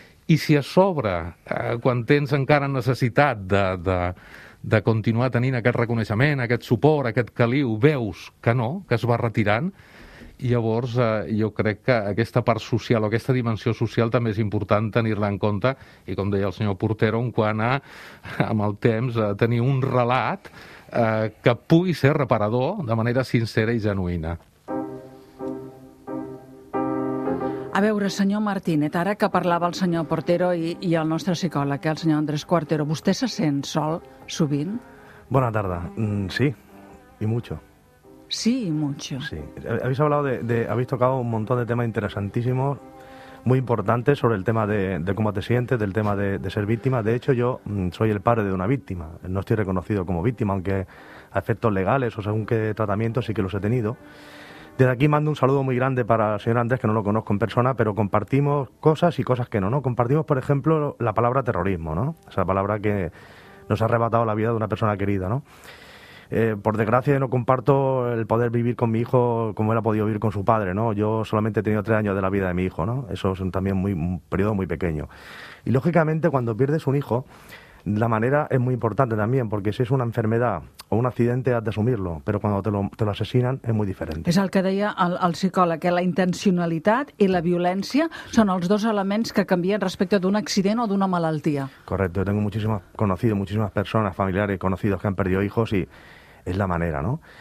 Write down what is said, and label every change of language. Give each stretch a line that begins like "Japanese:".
Catalan: I si a sobre, quan tens encara necessitat de continuar tenint aquest reconeixement, aquest suport, aquest caliu, veus que no, que es va retirant, llavors jo crec que aquesta part social o aquesta dimensió social també és important tenir-la en compte, i com deia el senyor Portero, quan amb el temps a tenir un relat que pugui ser reparador de manera sincera i genuïna. A veure, senyor Martínez, ara que parlava el senyor Portero i el nostre psicòleg, el senyor Andrés Cuartero, vostè se sent sol sovint? Bona tarda.
Spanish: Sí, y mucho. Sí, y mucho. Sí. Habéis hablado habéis tocado un montón de temas interesantísimos, muy importantes, sobre el tema de cómo te sientes, del tema de ser víctima. De hecho, yo soy el padre de una víctima. No estoy reconocido como víctima, aunque a efectos legales o según qué tratamiento sí que los he tenido. Desde aquí mando un saludo muy grande para el señor Andrés, que no lo conozco en persona, pero compartimos cosas y cosas que no. Compartimos, por ejemplo, la palabra terrorismo, ¿no? Esa palabra que nos ha arrebatado la vida de una persona querida, ¿no? Por desgracia, no comparto el poder vivir con mi hijo como él ha podido vivir con su padre, ¿no? Yo solamente he tenido 3 años de la vida de mi hijo, ¿no? Eso es también un periodo muy pequeño. Y, lógicamente, cuando pierdes un hijo, la manera es muy importante también, porque si es una enfermedad o un accidente has de asumirlo, pero cuando te lo asesinan es muy diferente.
Catalan: És el que deia el psicòleg, que la intencionalitat i la violència són els dos elements que canvien respecte d'un accident o d'una malaltia.
Spanish: Correcto, yo tengo muchísimas personas, familiares, conocidos que han perdido hijos y es la manera, ¿no?